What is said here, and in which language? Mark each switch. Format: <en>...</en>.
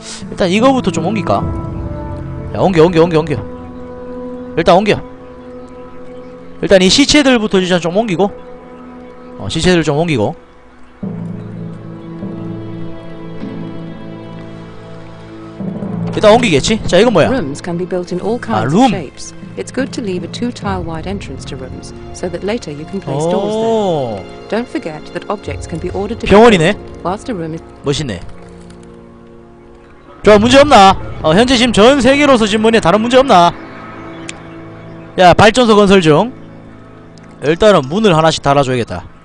<ko>일단 이거부터 좀 옮길까? 야 옮겨 일단 옮겨. 일단 이 시체들부터 이제 좀 옮기고 어 시체들 좀 옮기고 일단 옮기겠지? 자 이건 뭐야? 아 룸!</ko> <en>It's good to leave a two-tile wide entrance to rooms so that later you can place doors there. Don't forget that objects can be ordered to be placed.</en> <ko>멋있네. 좋아 문제 없나? 어 현재 지금 전 세계로서 지금 뭐냐 다른 문제 없나? 야 발전소 건설 중. 일단은 문을 하나씩 달아줘야겠다.</ko>